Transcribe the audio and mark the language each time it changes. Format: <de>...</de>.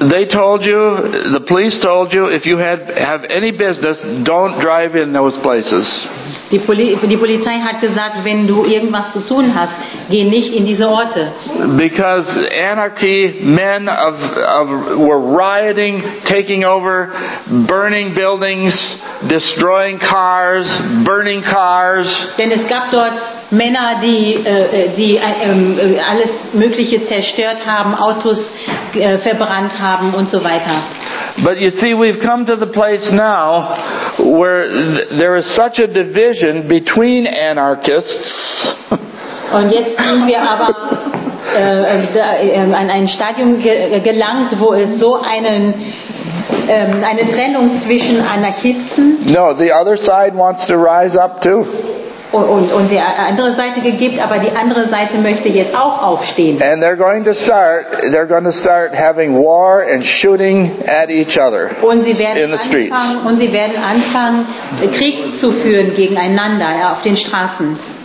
<en>They told you, the police told you, if you have any business, don't drive in those places.</en> <de>Die Polizei hat gesagt, wenn du irgendwas zu tun hast, geh nicht in diese Orte.</de> <en>Because anarchy, men were rioting, taking over, burning buildings, destroying cars, burning cars.</en> <de>Denn es gab dort Männer, die alles Mögliche zerstört haben, Autos verbrannt haben und so weiter.</de> <en>But you see, we've come to the place now where there is such a division between anarchists.</en> <de>Und jetzt sind wir aber an ein Stadium gelangt, wo es so eine Trennung zwischen Anarchisten.</de> <en>No, the other side wants to rise up too.</en> <de>Und die andere Seite gibt, aber die andere Seite möchte jetzt auch aufstehen.</de> <en>And they're going to start having war and shooting at each other in the streets.</en> <de>Und sie werden anfangen, Krieg zu führen gegeneinander auf den Straßen.</de>